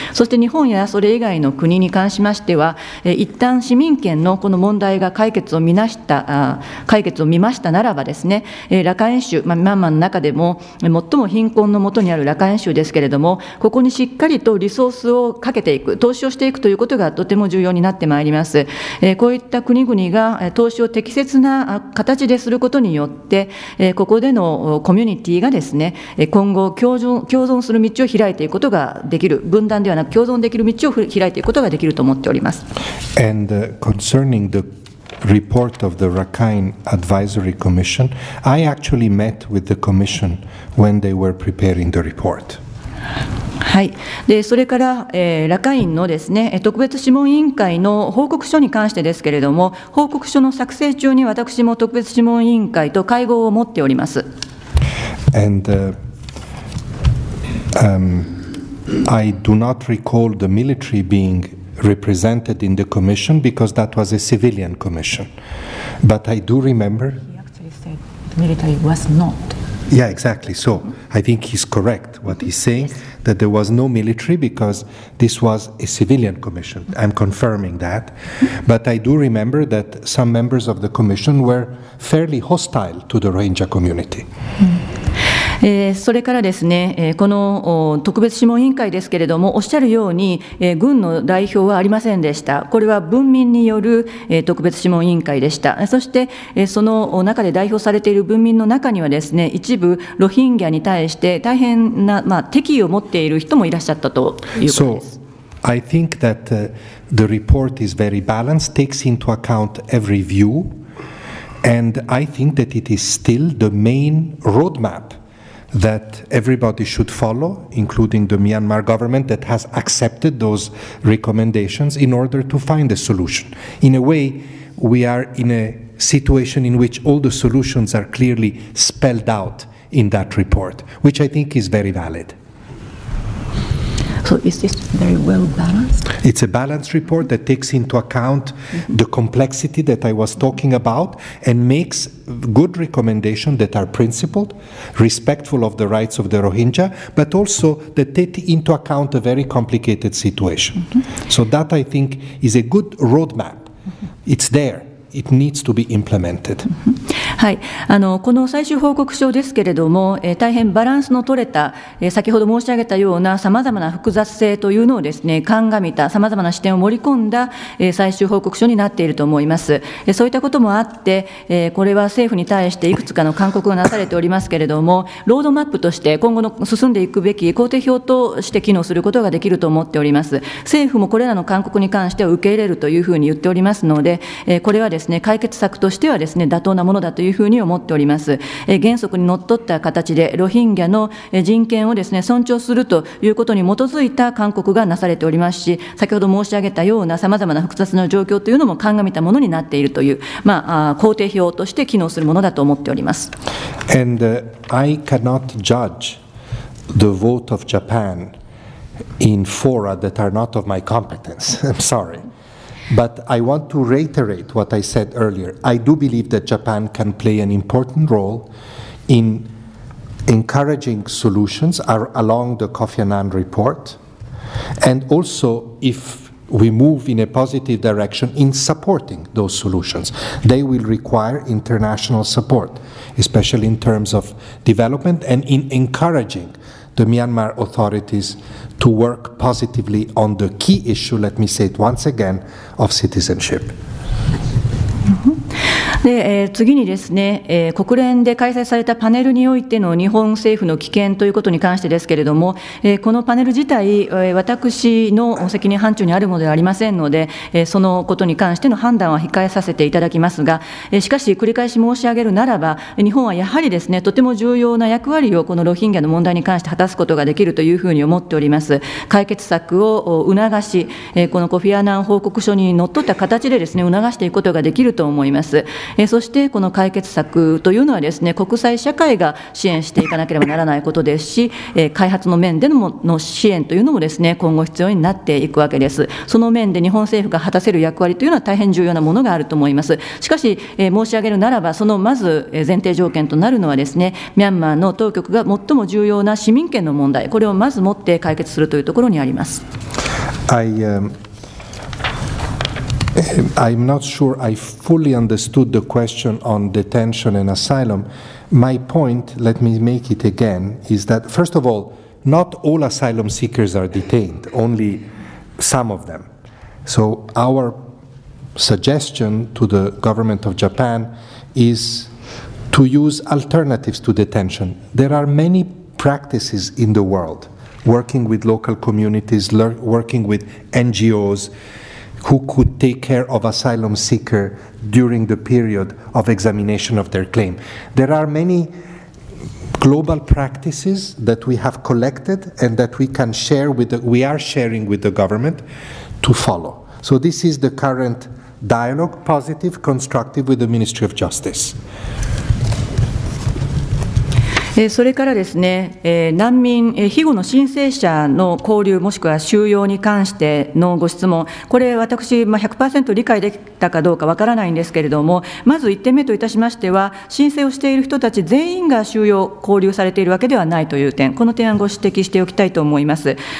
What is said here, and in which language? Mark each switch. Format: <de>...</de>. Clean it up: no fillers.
<ja>そして日本やそれ以外の国に関しましては、一旦市民権のこの問題が解決を見ましたならばですね、ラカイン州、ミャンマーの中でも最も貧困のもとにあるラカイン州ですけれども、ここにしっかりとリソースをかけていく、投資をしていくということがとても重要になってまいります。こういった国々が投資を適切な形ですることによって、ここでのコミュニティがですね、今後共存する道を開いていくことができる、分断ではなく共存できる道を開いていくことができると思っております。</ja> <en>And concerning the report of the Rakhine Advisory Commission, I actually met with the commission when they were preparing the report.</en> <ja>はい、でそれから、ラカインのですね、特別諮問委員会の報告書に関してですけれども、報告書の作成中に私も特別諮問委員会と会合を持っております。</ja> <en>And I do not recall the military being represented in the commission because that was a civilian commission. But I do remember. He actually said the military was not. Yeah, exactly. So I think he's correct what he's saying, that there was no military because this was a civilian commission. I'm confirming that. But I do remember that some members of the commission were fairly hostile to the Rohingya community.</en> <ja>それからですね、この特別諮問委員会ですけれども、おっしゃるように軍の代表はありませんでした。これは文民による特別諮問委員会でした。そしてその中で代表されている文民の中にはですね、一部ロヒンギャに対して大変な、敵意を持っている人もいらっしゃったということです。</ja> <en>So I think that the report is very balanced, takes into account every view, and I think that it is still the main roadmapthat everybody should follow, including the Myanmar government that has accepted those recommendations in order to find a solution. In a way, we are in a situation in which all the solutions are clearly spelled out in that report, which I think is very valid. So is this very well balanced? It's a balanced report that takes into account the complexity that I was talking about and makes good recommendations that are principled, respectful of the rights of the Rohingya, but also that take into account a very complicated situation. So that, I think, is a good roadmap. It's there. It needs to be implemented.</en> <ja>はい、この最終報告書ですけれども、大変バランスの取れた、先ほど申し上げたようなさまざまな複雑性というのをですね、鑑みたさまざまな視点を盛り込んだ、最終報告書になっていると思います。そういったこともあって、これは政府に対していくつかの勧告がなされておりますけれども、ロードマップとして今後の進んでいくべき工程表として機能することができると思っております。政府もこれらの勧告に関しては受け入れるというふうに言っておりますので、これはですね、解決策としてはですね、妥当なものだというというふうに思っております。原則にのっとった形でロヒンギャの人権をですね、尊重するということに基づいた勧告がなされておりますし、先ほど申し上げたようなさまざまな複雑な状況というのも鑑みたものになっているという、まあ、肯定表として機能するものだと思っております。</ja> <en>And、I cannot judge the vote of Japan in fora that are not of my competence. I'm sorry. But I want to reiterate what I said earlier. I do believe that Japan can play an important role in encouraging solutions along the Kofi Annan report, and also if we move in a positive direction in supporting those solutions. They will require international support, especially in terms of development and in encouraging the Myanmar authoritiesto work positively on the key issue, let me say it once again, of citizenship.</en> <ja>で、次にですね、国連で開催されたパネルにおいての日本政府の危険ということに関してですけれども、このパネル自体、私の責任範疇にあるものではありませんので、そのことに関しての判断は控えさせていただきますが、しかし繰り返し申し上げるならば、日本はやはりですね、とても重要な役割をこのロヒンギャの問題に関して果たすことができるというふうに思っております。解決策を促し、このコフィアナン報告書にのっとった形でですね、促していくことができると思います。そしてこの解決策というのはですね、国際社会が支援していかなければならないことですし、開発の面での支援というのもですね、今後必要になっていくわけです。その面で日本政府が果たせる役割というのは大変重要なものがあると思います。しかし申し上げるならば、そのまず前提条件となるのはですね、ミャンマーの当局が最も重要な市民権の問題、これをまず持って解決するというところにあります。</ja> <en>I'm not sure I fully understood the question on detention and asylum. My point, let me make it again, is that first of all, not all asylum seekers are detained, only some of them. So our suggestion to the government of Japan is to use alternatives to detention. There are many practices in the world, working with local communities, working with NGOs,who could take care of asylum seeker during the period of examination of their claim. There are many global practices that we have collected and that we can share with the, we are sharing with the government to follow. So this is the current dialogue, positive, constructive, with the Ministry of Justice.</en> <ja>それからですね、難民庇護の申請者の交流もしくは収容に関してのご質問、これ私 100% 理解できたかどうかわからないんですけれども、まず1点目といたしましては、申請をしている人たち全員が収容交流されているわけではないという点、この点はご指摘しておきたいと思います。</ja>